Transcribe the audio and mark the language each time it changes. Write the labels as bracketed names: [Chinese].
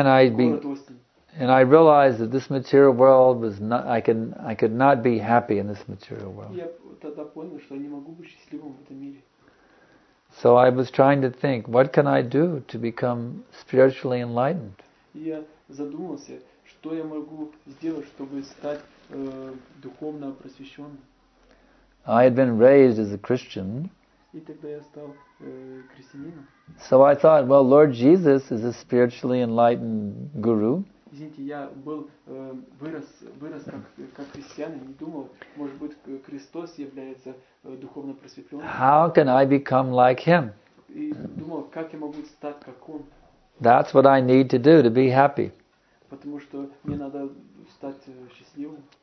[English] And I realized that this material world was not. I could not be happy in this material world. [Russian] Я тогда понял, что я не могу быть счастливым в этом мире. [English] So I was trying to think, what can I do to become spiritually enlightened? [Russian] Я задумался, что я могу сделать, чтобы стать духовно просвещенным. [English] I had been raised as a Christian. [Russian] И тогда я стал христианином. [English] So I thought, well, Lord Jesus is a spiritually enlightened guru. [Russian] Извините, я был вырос как христианин и думал, может быть, Христос является духовно просветленным. [English] How can I become like him? [Russian] И думал, как я могу стать как он? [English] That's what I need to do to be happy. [Russian] Потому что мне надо стать счастливым.